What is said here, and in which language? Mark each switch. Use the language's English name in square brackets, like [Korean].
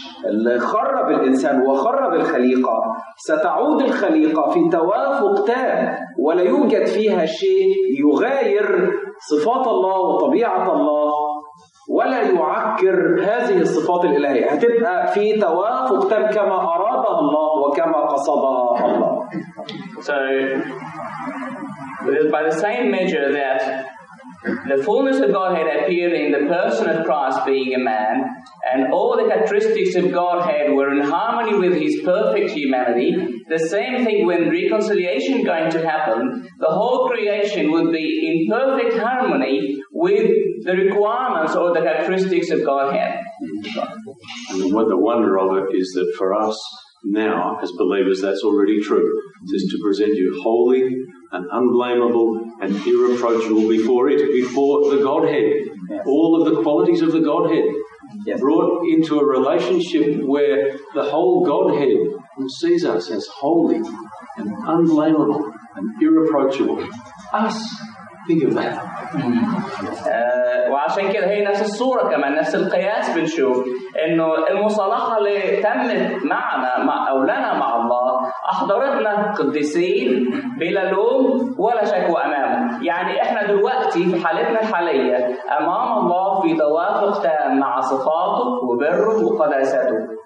[Arabic] اللي خرب الإنسان وخرب الخليقة ستعود الخليقة في توافق تام ولا يوجد فيها شيء يغاير صفات الله وطبيعة الله ولا يعكر هذه الصفات الإلهية هتبقى في توافق تام كما أرادها الله وكما قصدها الله. [English] So, by the same measure that the fullness of Godhead appeared in the person of Christ being a man, and all the characteristics of Godhead were in harmony with his perfect humanity, the same thing when reconciliation going to happen, the whole creation would be in perfect harmony with the requirements or the characteristics of Godhead. And what the wonder of it is that for us now, as believers, that's already true. It is to present you holy and unblameable and irreproachable before it, before the Godhead. Yes. All of the qualities of the Godhead. Yes. Brought into a relationship where the whole Godhead sees us as holy and unblameable and irreproachable. Us, think of that. Well, [Arabic] عشان كده هي نفس الصورة كمان نفس القياس بنشوف إنه المصالحة اللي تمت معنا مع أو لنا مع الله أحضرتنا قديسين بلا لوم ولا شكوى أمامه. يعني إحنا دلوقتي في حالتنا الحالية أمام الله في توافق تام مع صفاته وبره وقداسته.